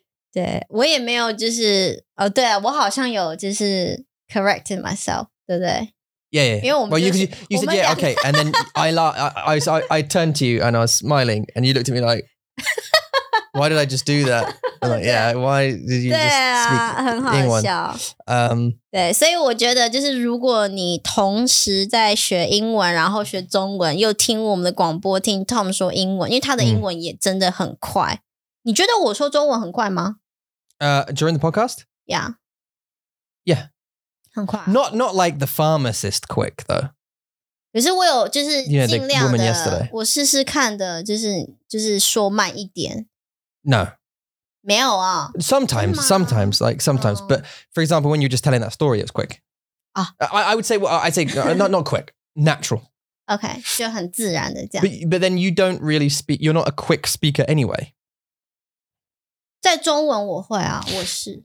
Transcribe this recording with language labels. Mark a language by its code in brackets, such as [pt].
[zh] 对, 我也没有就是, oh, 对啊, 我好像有就是 [en] Corrected myself, [zh] 对不对 [en] Yeah, yeah. [zh] 因为我们就是, [en] well, you said, yeah, okay. And then I turned to you and I was smiling and you looked at me like, why did I just do that? I'm like, yeah, why did you just speak English? [zh] 对，所以我觉得就是如果你同时在学英文然后学中文又听我们的广播听 Tom 说英文因为他的英文也真的很快。你觉得我说中文很快吗？ [en] During the podcast? Yeah. Yeah. [zh] 很快 [en] 啊。Not like the pharmacist quick, though. [zh] 可是我有就是尽量的 [en] you know, the woman yesterday. [zh] 我试试看的就是说慢一点。 [en] No. [zh] 没有啊。 [en] Sometimes, but for example, when you're just telling that story, it's quick. 啊。 I'd say not quick, natural. [zh] Okay, 就很自然的这样。 [en] But then you don't really speak, you're not a quick speaker anyway. [zh] 在中文我会啊,我是。